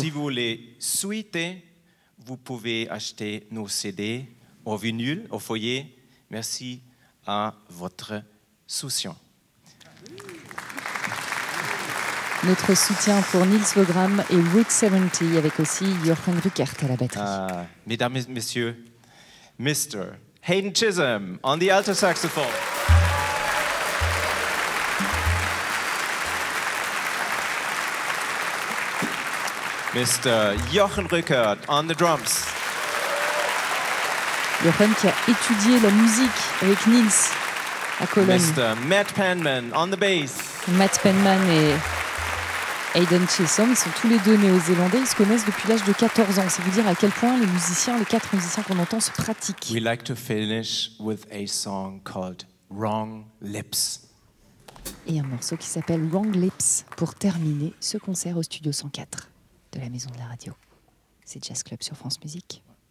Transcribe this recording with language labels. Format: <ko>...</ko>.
<fr>Si vous les souhaitez, vous pouvez acheter nos CD au vinyle, au foyer. Merci à votre soutien. Notre soutien pour Nils Wegram et Route 70 avec aussi Jochen Rückert à la batterie. Mesdames et messieurs, Mr.</fr> <en>Hayden Chisholm on the alto saxophone. Mr. Jochen Rückert on the drums.</en> <fr>Jochen qui a étudié la musique avec Nils à Cologne.</fr> <en>Mr. Matt Penman on the bass.</en> <fr>Matt Penman et Aidan Chisholm sont tous les deux néo-zélandais. Ils se connaissent depuis l'âge de 14 ans. C'est vous dire à quel point les musiciens, les quatre musiciens qu'on entend, se pratiquent.</fr> <en>We like to finish with a song called Wrong Lips.</en> <fr>Et un morceau qui s'appelle Wrong Lips pour terminer ce concert au studio 104 de la Maison de la Radio. C'est Jazz Club sur France Musique.</fr>